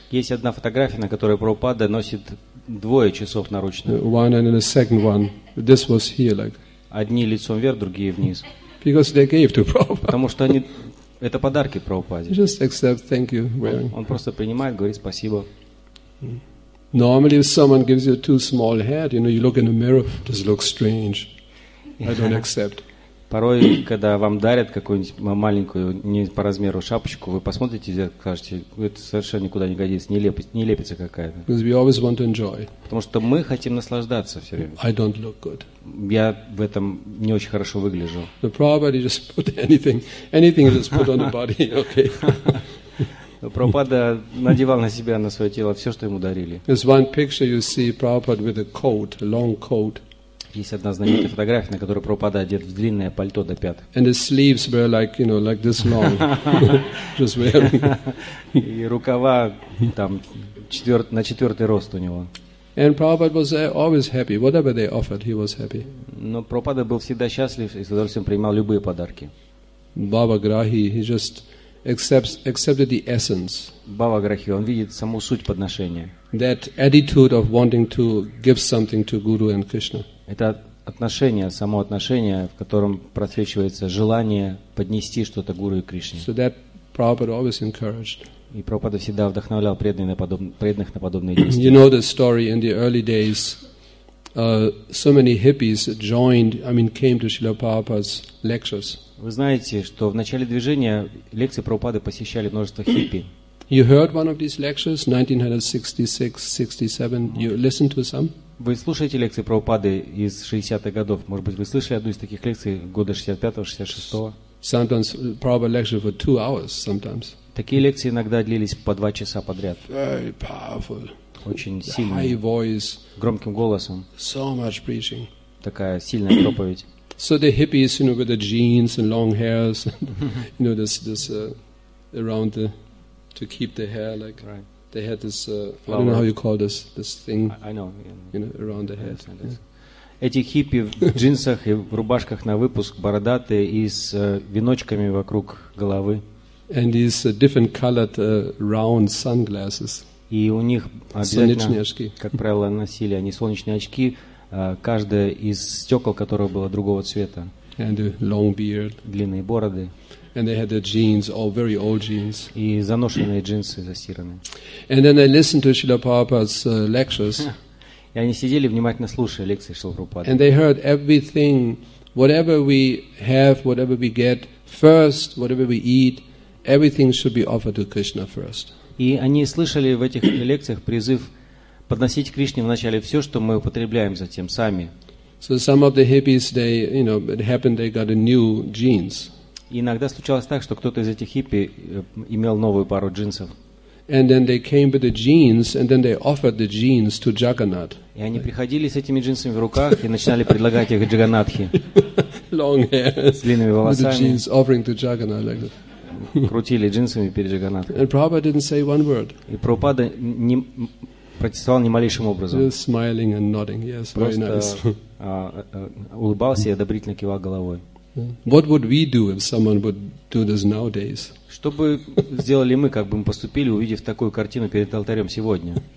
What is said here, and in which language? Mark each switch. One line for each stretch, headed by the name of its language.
Russian: Есть одна фотография, на которой Прабхупада носит двое часов наручных.
English: One and then the second one. This was here, like.
Russian: Одни лицом вверх, другие вниз.
English: Because they gave to Prabhupada.
Russian: Потому что они это подарки Прабхупаде.
English: Just accept, thank you, wearing.
Russian: Он просто принимает, говорит спасибо.
English: Normally, if someone gives you too small hat, you know, you look in the mirror, does it look strange? I don't accept.
Russian: Порой, когда вам дарят какую-нибудь маленькую, не по размеру шапочку, вы посмотрите и скажете, это совершенно никуда не годится, нелепица какая-то.
English: Because we always want to enjoy.
Russian: Потому что мы хотим наслаждаться все время.
English: I don't look good.
Russian: Я в этом не очень хорошо выгляжу.
English: The Prabhupada just put anything just put on the body, okay.
Russian: Прабхупада надевал на себя, на свое тело все, что ему дарили.
English: There's one picture you see Prabhupada with a coat, a long coat.
Russian: Есть одна знаменитая фотография, на которой Прабхупада одет в длинное пальто до пят.
English: And his sleeves were like, you know, like this long. Just wearing.
Russian: И рукава там на четвертый рост у него.
English: And Prabhupada was always happy. Whatever they offered, he was happy.
Russian: Но Прабхупада был всегда счастлив и с удовольствием принимал любые подарки.
English: Баба Грахи, he just accepted the essence.
Russian: Баба Грахи, он видит саму суть подношения.
English: That attitude of wanting to give something to Guru and Krishna.
Russian: Это отношение, само отношение, в котором просвечивается желание поднести что-то Гуру и Кришне.
English: So that Prabhupada always encouraged.
Russian: И Прабхупада всегда вдохновлял преданных на подобные действия.
English: You know the story in the early days, so many hippies joined, I mean, came to Srila Prabhupada's lectures.
Russian: Вы знаете, что в начале движения лекции Прабхупады посещали множество хиппи.
English: You heard one of these lectures, 1966-67. You listened to some?
Russian: Вы слушаете лекции Прабхупады из 60-х годов? Может быть, вы слышали одну из таких лекций года 65-66?
English: Sometimes Prabhupada lectured for 2 hours. Sometimes.
Russian: Такие лекции иногда длились по 2 часа подряд.
English: Very powerful.
Russian: Очень сильный.
English: High voice.
Russian: Громким голосом.
English: So much preaching.
Russian: Такая сильная проповедь.
English: So the hippies, you know, with the jeans and long hairs, you know, this around the to keep the hair like. Right. They had this I don't know how you call this thing. I know. You know, around the head.
Russian: Эти хиппи в джинсах и в рубашках на выпуск, бородатые и с веночками вокруг головы.
English: And these different colored round sunglasses.
Russian: И у них обязательно, как правило, носили они солнечные очки, каждое из стекол которого было другого цвета.
English: And a long beard.
Russian: Длинные бороды.
English: And they had their jeans, all very old jeans.
Russian: И заношенные джинсы застиранные.
English: And then they listened to Srila Prabhupada's lectures.
Russian: И они сидели внимательно слушая лекции Шрилы Прабхупады.
English: And they heard everything, whatever we have, whatever we get, first, whatever we eat, everything should be offered to Krishna first.
Russian: И они слышали в этих лекциях призыв подносить Кришне вначале все, что мы употребляем, затем сами.
English: So some of the hippies, they, you know, it happened they got a new jeans.
Russian: И иногда случалось так, что кто-то из этих хиппи имел новую пару джинсов.
English: And then they came with the jeans, and then they offered the jeans to Jagannath.
Russian: И они приходили с этими джинсами в руках и начинали предлагать их Джаганатхе.
English: Long hairs.
Russian: С длинными волосами.
English: With the jeans offering to Jagannath like that.
Russian: Крутили джинсами перед Джаганатхой.
English: And Prabhupada didn't say one word.
Russian: И Прабхупада не протестовал ни малейшим образом.
English: Just smiling and nodding. Yes, very nice.
Russian: Просто улыбался и одобрительно кивал головой.
English: What would we do if someone would do this nowadays?
Russian: Что бы сделали мы, как бы мы поступили, увидев такую картину перед алтарем сегодня?